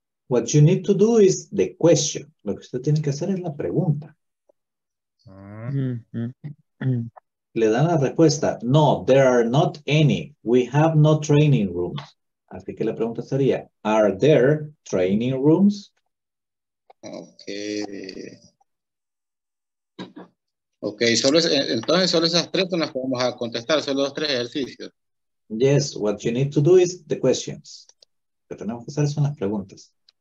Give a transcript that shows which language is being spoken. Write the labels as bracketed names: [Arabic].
[English] What you need to do is the question. [Spanish] Lo que usted tiene que hacer es la pregunta. Le dan la respuesta. [English] No, there are not any. We have no training rooms. [Spanish] Así que la pregunta sería, [English] are there training rooms? Okay. [Spanish] Solo es, entonces solo esas tres son las que vamos a contestar, solo los tres ejercicios. [English] Yes, what you need to do is the questions. [Spanish] Lo que tenemos que hacer son las preguntas.